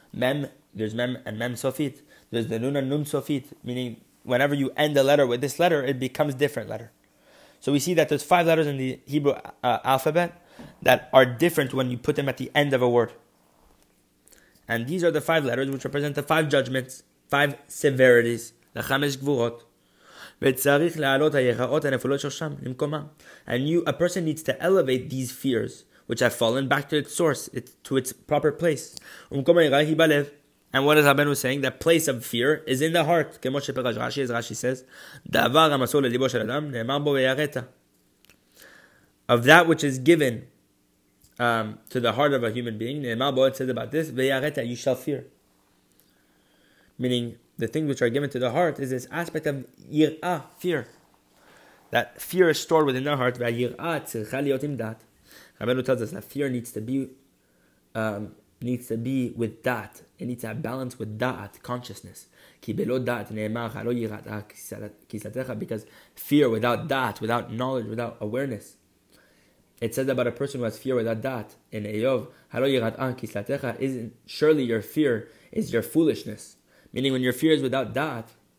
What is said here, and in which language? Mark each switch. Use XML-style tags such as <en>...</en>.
<en>Mem, there's mem and mem sofit. There's the nun and nun sofit, meaning whenever you end a letter with this letter, it becomes different letter. So we see that there's five letters in the Hebrew alphabet that are different when you put them at the end of a word. And these are the five letters which represent the five judgments, five severities, the chamesh gvurot.</en> <he>וצריך להעלות היראות הנפולות שרשם למקומם.</he> <en>And a person needs to elevate these fears which have fallen back to its source, to its proper place. And what is Rabbeinu saying? The place of fear is in the heart.</en> <he>כמו שפרש רשי,</he> <en>as Rashi says,</en> <he>דבר המסור לליבו של אדם, נאמר בו ויראת.</he> <en>Of that which is given to the heart of a human being,</en> <he>נאמר בו,</he> <en>it says about this, ויראת, you shall fear. Meaning, the things which are given to the heart is this aspect of יראה, fear. That fear is stored within the heart,</en> <he>ויראה צריכה להיות עם דעת.</he> <en>Rabbeinu tells us that fear needs to be with that. It needs to have balance with that consciousness. Because fear without that, without knowledge, without awareness. It says about a person who has fear without that in Eyov, surely your fear is your foolishness. Meaning when your fear is without that,</en>